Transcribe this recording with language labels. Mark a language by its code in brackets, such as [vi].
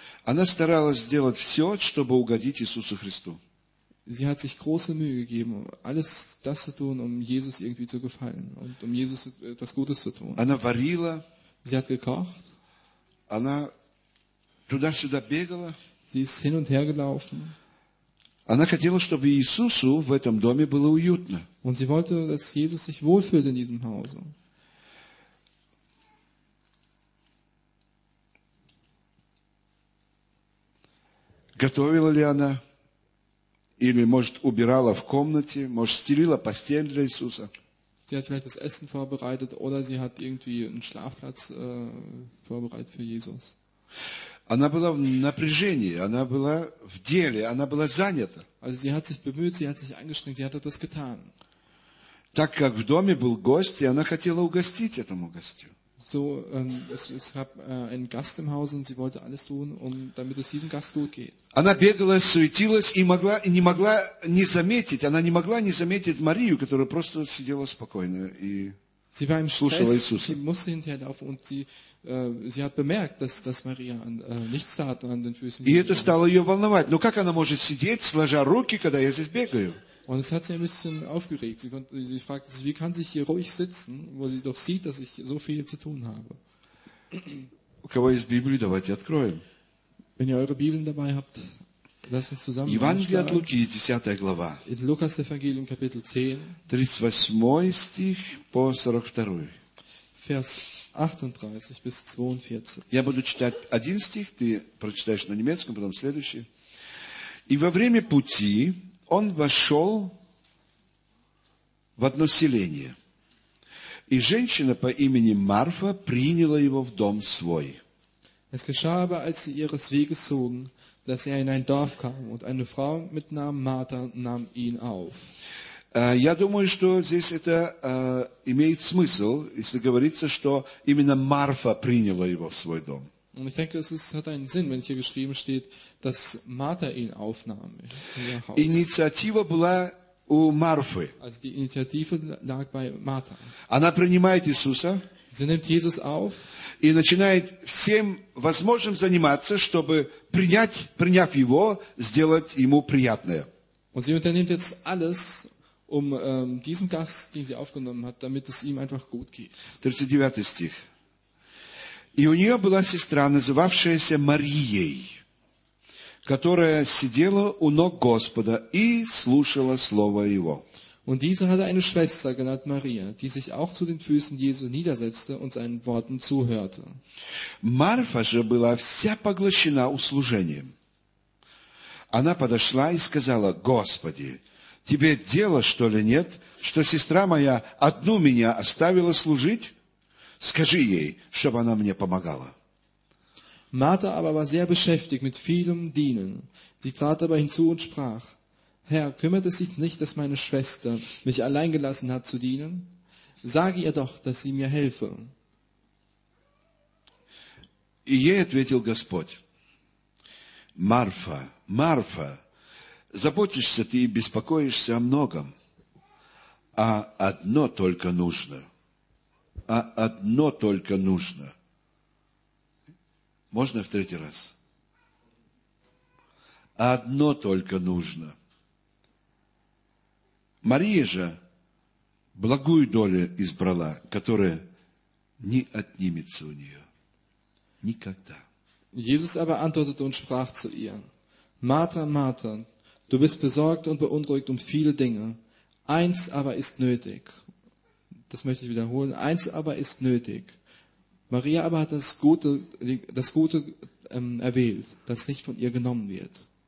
[ru] Она старалась сделать все, чтобы угодить Иисусу Христу. [de] Sie hat sich große Mühe gegeben, alles das zu tun, um Jesus irgendwie zu gefallen und um Jesus etwas Gutes zu tun. [ru] Она варила. [de] Sie hat gekocht. [ru] Она туда-сюда бегала. [de] Sie ist hin und her gelaufen. [ru] Она хотела, чтобы Иисусу в этом доме было уютно. [de] Und sie wollte, dass Jesus sich wohlfühlt in diesem Hause. [ru] Готовила ли она? Или, может, убирала в комнате, может, стелила постель для Иисуса. [de] Sie hat vielleicht das Essen vorbereitet oder sie hat irgendwie einen Schlafplatz vorbereitet für Jesus. [ru] Она была в напряжении, она была в деле, она была занята. [de] Also sie hat sich bemüht, sie hat sich angestrengt, sie hat das getan. [ru] Так как в доме был гость, и она хотела угостить этому гостю. [de] So, es gab einen Gast im Haus und sie wollte alles tun, um, damit es diesem Gast gut geht. [ru] Она бегала, суетилась и могла, не могла не заметить, она не могла не заметить Марию, которая просто сидела спокойно и слушала Иисуса. [de] Sie war im Stress, sie musste hinterherlaufen und sie hat bemerkt, dass Maria nichts tat an den Füßen. [ru] И это стало ее волновать. Но как она может сидеть, сложа руки, когда я здесь бегаю? [de] Und es hat sie ein bisschen aufgeregt. Sie fragte sich, wie kann sie hier ruhig sitzen, wo sie doch sieht, dass ich so viel zu tun habe. [ru] У кого есть Библия, давайте откроем. [de] Wenn ihr eure Bibeln dabei habt, lasst uns zusammen. [ru] Евангелие от Луки, 10 глава. [de] In Lukas Evangelium, Kapitel 10. [ru] 38 стих по 42. [de] Vers 38 bis 42. [ru] Я буду читать один стих, ты прочитаешь на немецком, потом следующий. И во время пути он вошел в одно селение, и женщина по имени Марфа приняла его в дом свой. [de] Es geschah aber, als sie ihres Weges zogen, dass er in ein Dorf kam, und eine Frau mit Namen Martha nahm ihn auf. [ru] Я думаю, что здесь это имеет смысл, если говорится, что именно Марфа приняла его в свой дом. [de] Und ich denke, es hat einen Sinn, wenn hier geschrieben steht, dass Martha ihn aufnahm. In [ru] Initiative была у Марфы. [de] Also die Initiative lag bei Martha. [ru] Она принимает Иисуса. [de] Sie nimmt Jesus auf. [ru] И начинает всем возможным заниматься, чтобы приняв его, сделать ему приятное. [de] Und sie unternimmt jetzt alles, um diesem Gast, den sie aufgenommen hat, damit es ihm einfach gut geht. [ru] 39 стих. И у нее была сестра, называвшаяся Марией, которая сидела у ног Господа и слушала Слово Его. Und diese hatte eine Schwester genannt Maria, die sich auch zu den Füßen Jesu niedersetzte und seinen Worten zuhörte. Марфа же была вся поглощена услужением. Она подошла и сказала: «Господи, тебе дело, что ли, нет, что сестра моя одну меня оставила служить? Скажи ей, чтобы она мне помогала». [de] Martha aber war sehr beschäftigt mit vielem Dienen. Sie trat aber hinzu und sprach: Herr, kümmert es sich nicht, dass meine Schwester mich allein gelassen hat zu dienen? Sage ihr doch, dass sie mir helfe. [ru] И ей ответил Господь: Марфа, Марфа, заботишься ты и беспокоишься о многом, а одно только нужно, а одно только нужно. Можно в третий раз? Одно только нужно. Мария же благую долю избрала, которая не отнимется у нее. Никогда. [de] Jesus aber antwortete und sprach zu ihr: Martha, Martha, du bist besorgt und beunruhigt um viele Dinge. Eins aber ist nötig. Das möchte ich wiederholen. Eins aber ist nötig. Maria aber hat das Gute erwählt, das nicht von ihr genommen wird.